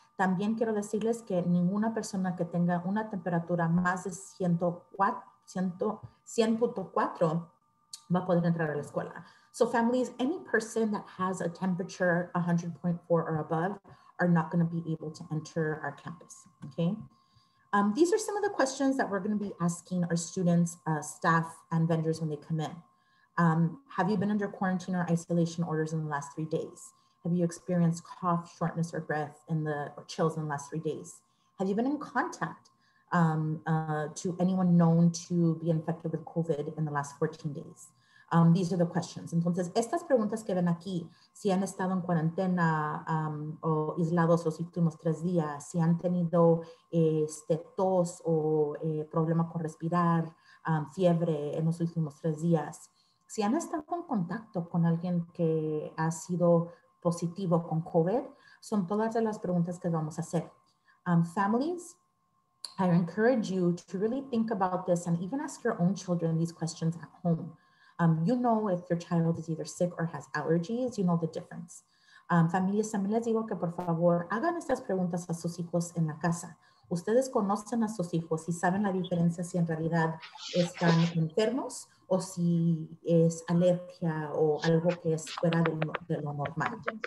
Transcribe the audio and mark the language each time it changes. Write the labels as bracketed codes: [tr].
[es] También quiero decirles que ninguna persona que tenga una temperatura más de 100.4 va a poder entrar a la escuela. [en] So families, any person that has a temperature 100.4 or above are not going to be able to enter our campus, okay? These are some of the questions that we're going to be asking our students, staff, and vendors when they come in. Have you been under quarantine or isolation orders in the last 3 days? Have you experienced cough, shortness, or breath in the or chills in the last 3 days? Have you been in contact to anyone known to be infected with COVID in the last 14 days? These are the questions. [es] Entonces, estas preguntas que ven aquí, si han estado en cuarentena o aislados los últimos 3 días, si han tenido tos o problema con respirar, fiebre en los últimos 3 días, si han estado en contacto con alguien que ha sido positivo con COVID, son todas las preguntas que vamos a hacer. [en] Families, I encourage you to really think about this and even ask your own children these questions at home. You know if your child is either sick or has allergies, you know the difference. [es] Familias, también les digo que por favor hagan estas preguntas a sus hijos en la casa. Ustedes conocen a sus hijos y saben la diferencia si en realidad están enfermos o si es alergia o algo que es fuera de lo normal.